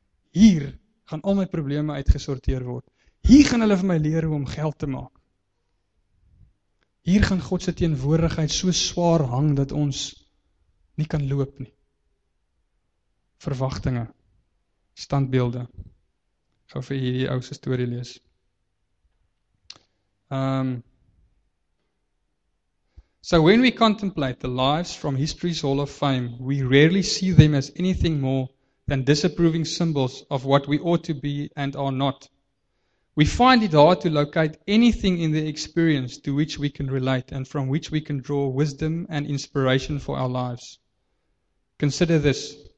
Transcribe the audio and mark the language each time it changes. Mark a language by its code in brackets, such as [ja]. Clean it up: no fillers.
[af] Hier gaan al my probleme uitgesorteer word. Hier gaan hulle vir my leer hoe om geld te maak. Hier gaan God se teenwoordigheid so swaar hang dat ons nie kan loop nie. Verwagtinge, standbeelde. Ek gaan vir hierdie ou se storie lees. [en] So when we contemplate the lives from history's hall of fame, we rarely see them as anything more than disapproving symbols of what we ought to be and are not. We find it hard to locate anything in the experience to which we can relate and from which we can draw wisdom and inspiration for our lives. Consider this.